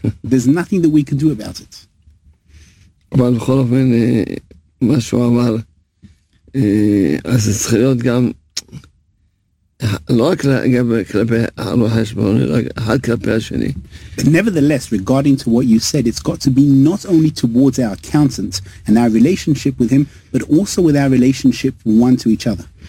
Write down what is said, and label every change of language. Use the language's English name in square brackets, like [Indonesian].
[English] There's nothing that we can do about it. [Hebrew] אבל בכל אופן, מה שהוא אמר, אז צריך להיות גם, לא רק כלפי הרואה חשבון, אחד כלפי השני. [English] Nevertheless, regarding to what you said, it's got to be not only towards our accountant and our relationship with him, but also with our relationship one to each other.